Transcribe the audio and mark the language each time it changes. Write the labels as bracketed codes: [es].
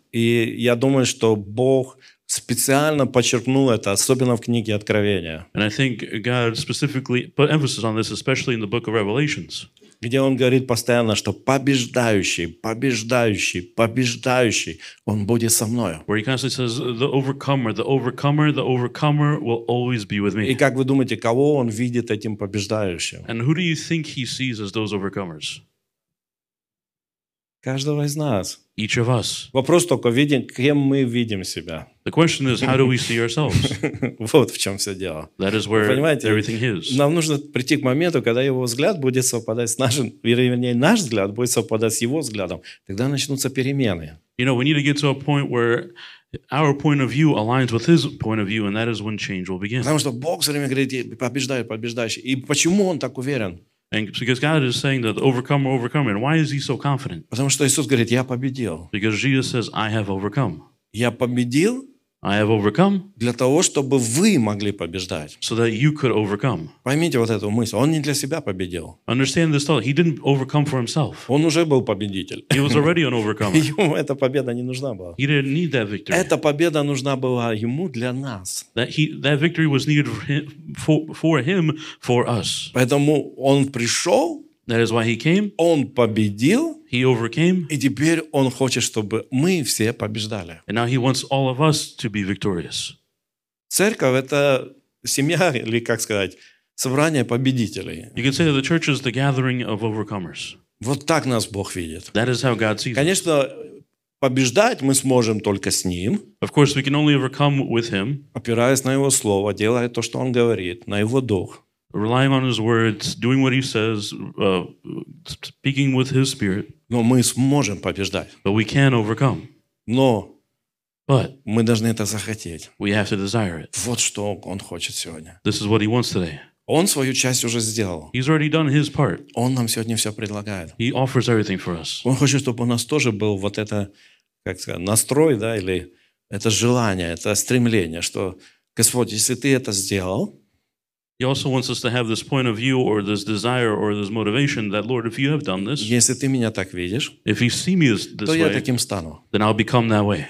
[ru] И я думаю, что Бог специально подчеркнул это, особенно в книге Откровения. [en] And I think God specifically put emphasis on this, especially in the book of Revelations. [ru] Где он говорит постоянно, что побеждающий, побеждающий, побеждающий, он будет со мною. [en] Where he constantly says, the overcomer, the overcomer, the overcomer will always be with me. [ru] И как вы думаете, кого он видит этим побеждающим? [en] And who do you think he sees as those overcomers? [ru] Каждого из нас. [en] Each of us. [ru] Вопрос только, видим, кем мы видим себя. [en] The question is, how do we see ourselves? [ru] Вот в чем все дело. [en] That is where everything is. [ru] Нам нужно прийти к моменту, когда его взгляд будет совпадать с нашим, вернее, наш взгляд будет совпадать с его взглядом. Тогда начнутся перемены. [en] You know, we need to get to a point where our point of view aligns with his point of view, and that is when change will begin. [ru] Потому что Бог все время говорит, побеждаю, побеждаю. И почему он так уверен? [en] And because God is saying that overcomer, overcomer. And why is he so confident? [ru] Потому что Иисус говорит, я победил. [en] Because Jesus says, I have overcome. [ru] Я победил? [en] I have overcome. [ru] Для того, чтобы вы могли побеждать. [en] So that you could overcome. [ru] Поймите вот эту мысль. Он не для себя победил. [en] Understand this thought. He didn't overcome for himself. [ru] Он уже был победитель. [en] He was already an overcomer. [ru] Ему эта победа не нужна была. [en] He didn't need that victory. [ru] Эта победа нужна была ему для нас. [en] That victory was needed for him, for us. [ru] Поэтому он пришел. [en] That is why he came. [ru] Он победил. [en] He overcame. [ru] И теперь он хочет, чтобы мы все побеждали. [en] And now he wants all of us to be victorious. [ru] Церковь — это семья, или как сказать, собрание победителей. [en] You can say that the church is the gathering of overcomers. [ru] Вот так нас Бог видит. [en] That is how God sees. [ru] Конечно, побеждать мы сможем только с Ним. [en] Of course, we can only overcome with Him. [ru] Опираясь на Его слово, делая то, что Он говорит, на Его дух. [en] Relying on His words, doing what He says, speaking with His Spirit. [ru] Но мы сможем побеждать. [en] But we can overcome. [ru] Но [en] But [ru] мы должны это захотеть. [en] We have to desire it. [ru] Вот что Он хочет сегодня. [en] This is what He wants today. [ru] Он свою часть уже сделал. [en] He's already done His part. [ru] Он нам сегодня все предлагает. [en] He offers everything for us. [ru] Он хочет, чтобы у нас тоже был вот это, как сказать, настрой, да, или это желание, это стремление, что Господь, если Ты это сделал. [en] He also wants us to have this point of view or this desire or this motivation that, Lord, if you have done this, [ru] если ты меня так видишь, [en] if you see me this [ru] то [en] way, [ru] я таким стану. [en] Then I'll become that way.